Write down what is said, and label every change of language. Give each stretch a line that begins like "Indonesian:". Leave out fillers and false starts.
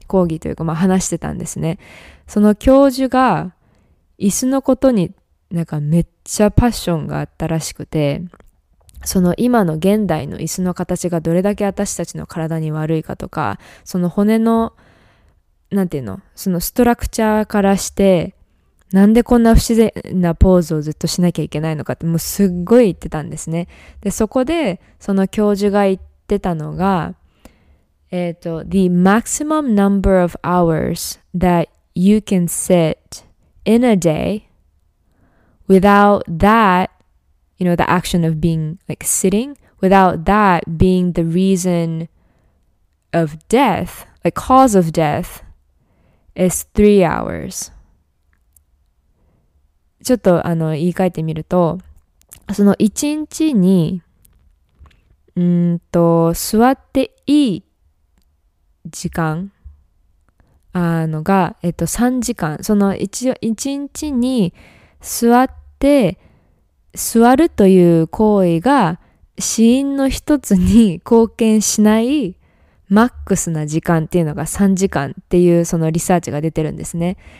Japanese: 講義というか、まあ、話してたんですね。その教授が椅子のことになんかめっちゃパッションがあったらしくて、その今の現代の椅子の形がどれだけ私たちの体に悪いかとか、その骨の、なんていうの、そのストラクチャーからして、なんでこんな不自然なポーズをずっとしなきゃいけないのかって、もうすっごい言ってたんですね。で、そこで、その教授が言ってたのが、
English: the maximum number of hours that you can sit in a day without that, you know, the action of being like sitting, without that being the reason of death, like cause of death, is 3 hours.
Japanese: ちょっとあの言い換えてみると、その1日に座っていい時間あのが、3時間、その 1日に座って座るという行為が死因の一つに貢献しないマックスな時間っていうのが3時間っていう、そのリサーチが出てるんですね。